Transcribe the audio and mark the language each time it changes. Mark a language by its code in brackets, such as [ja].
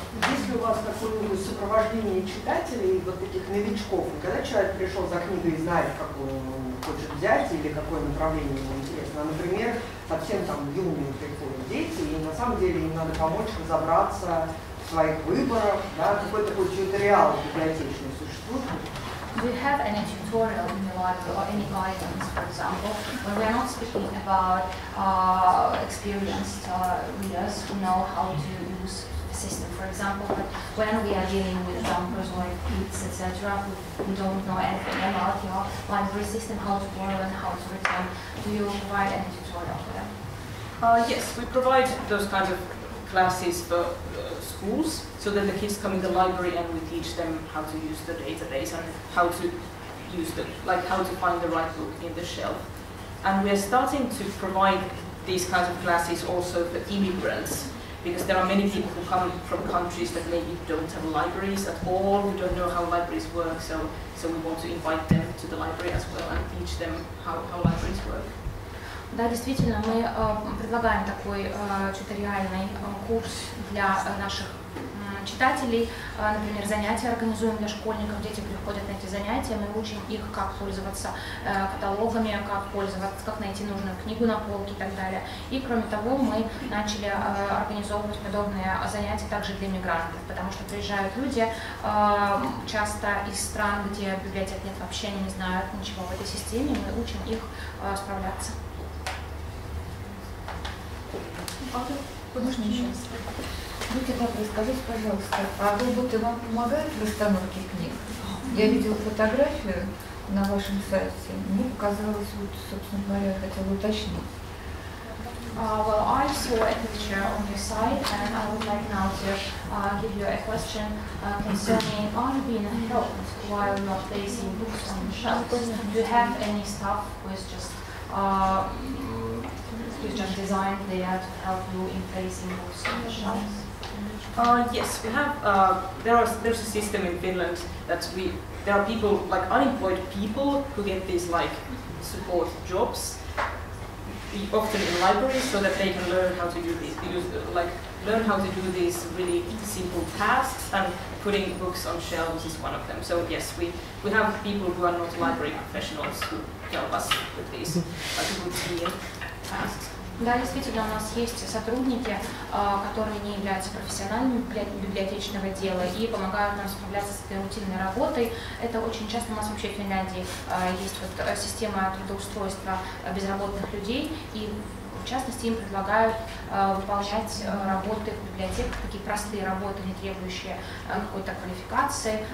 [ru] Есть ли у вас какое-нибудь сопровождение читателей, вот таких новичков? И когда человек пришел за книгой и знает, какую он хочет взять или какое направление ему интересно, например, совсем там юные приходят дети, и на самом деле им надо помочь разобраться в своих выборах, да, какой-то такой тьюториал библиотечный существует? [en] Do you have any tutorial in the library or any guidance, for example, when we are not speaking about experienced readers who know how to use the system, for example, but when we are dealing with jumpers or kids, etc., who don't know anything about your library system, how to borrow and how to return, do you provide any tutorial for them? Yes, we provide those kinds of classes for schools, so that the kids come in the library and we teach them how to use the database and how to use the, like how to find the right book in the shelf. And we are starting to provide these kinds of classes also for immigrants, because there are many people who come from countries that maybe don't have libraries at all, who don't know how libraries work, so we want to invite them to the library as well and teach them how libraries work. [ru] Да, действительно, мы предлагаем такой тьюториальный курс для наших читателей. Например, занятия организуем для школьников, дети приходят на эти занятия, мы учим их, как пользоваться каталогами, как найти нужную книгу на полке и так далее. И кроме того, мы начали организовывать подобные занятия также для мигрантов, потому что приезжают люди часто из стран, где библиотек нет вообще, они не знают ничего в этой системе, мы учим их справляться. Можно еще? Будьте добры, скажите, пожалуйста, а роботы вам помогают в расстановке книг? Я видела фотографию на вашем сайте. Мне показалось, вот, собственно говоря, хотела уточнить. [en] Well, I saw a picture on your site, and I would like now to give you a question concerning, are you being helped while not placing books on the shelves? Do you have any staff who is just which are designed there to help you in placing books on the shelves? Yes, we have. There's a system in Finland that there are people, like unemployed people, who get these like support jobs, often in libraries, so that they can learn how to do these, learn how to do these really simple tasks. And putting books on shelves is one of them. So yes, we have people who are not library professionals who help us with these routine tasks. [ru] Да, действительно, у нас есть сотрудники, которые не являются профессиональными библиотечного дела и помогают нам справляться с этой рутинной работой. Это очень часто у нас вообще в Финляндии есть вот система трудоустройства безработных людей, и в частности им предлагают выполнять работы в библиотеках, такие простые работы, не требующие какой-то квалификации.